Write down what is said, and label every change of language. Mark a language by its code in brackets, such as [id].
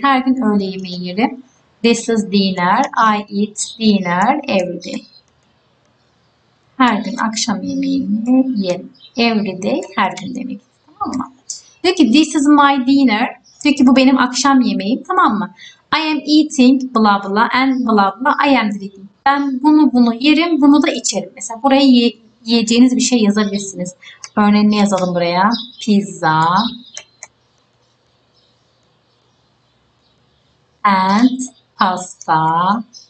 [tr] Her gün öğle yemeği yerim. [en] This is dinner. I eat dinner every day. [tr] Her gün akşam yemeğini yerim. Every day her gün demek. Tamam mı? Diyor ki [en] this is my dinner. [tr] Diyor ki bu benim akşam yemeğim, tamam mı? [en] I am eating blah blah and blah blah I am drinking. [tr] Ben bunu bunu yerim, bunu da içerim. Mesela buraya yiyeceğiniz bir şey yazabilirsiniz. Örneğini yazalım buraya. Pizza and pasta.